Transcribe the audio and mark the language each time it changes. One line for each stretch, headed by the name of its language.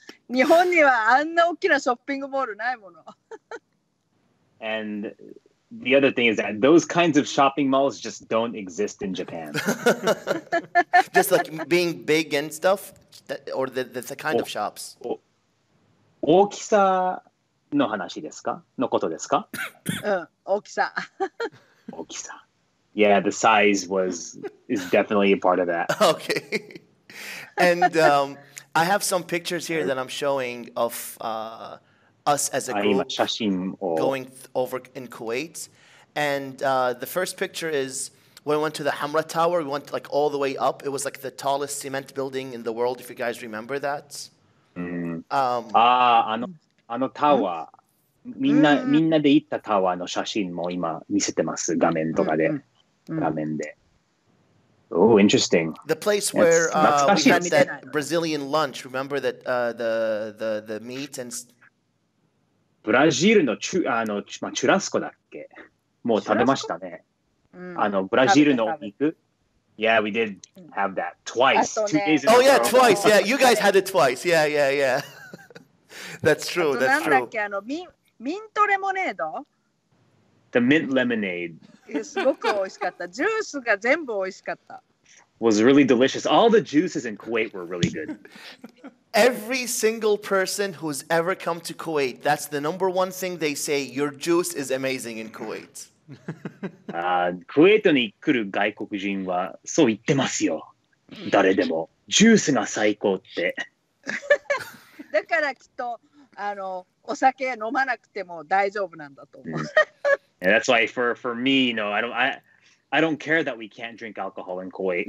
Japanese: 日本にはあんな大きなショッピングモールないもの。
English: And the other thing is that those kinds of shopping malls just don't exist in Japan. Just like being big and stuff? Or the kind of shops?
Japanese: 大きさの話ですか?のことですか? うん、大きさ。大きさ。
English: Yeah, the size is definitely a part of that. Okay. And I have some pictures here that I'm showing of... us as a group going over in Kuwait. And the first picture is when we went to the Hamra Tower. We went like all the way up. It was like the tallest cement building in the world, if you guys remember that.
Japanese: あのタワー。みんなで行ったタワーの写真も今見せてます。画面とかで。画面で。
English: Oh, interesting. The place where we had that Brazilian lunch. Remember that the meat and...
Japanese: ブラジルのまあ、チュラスコだっけ? もう食べましたね。ブラジルの肉?
English: Yeah, we did have that twice. Two days in a row. Oh, yeah, twice. Yeah, you guys had it twice. Yeah, yeah, yeah. That's true, that's true.
Japanese: なんだっけ、ミントレモネード?
English: The mint lemonade.
Japanese: すごく美味しかった。ジュースが全部美味しかった。
English: Was really delicious. All the juices in Kuwait were really good. Every single person who's ever come to Kuwait, that's the number one thing they say. Your juice is amazing in Kuwait.
Japanese: Kuwaitに来る外国人はそう言ってますよ。誰でも。ジュースが最高って。だからきっとお酒飲まなくても大丈夫なんだと思う。
English: Yeah, that's why for me, you know, I don't care that we can't drink alcohol in Kuwait.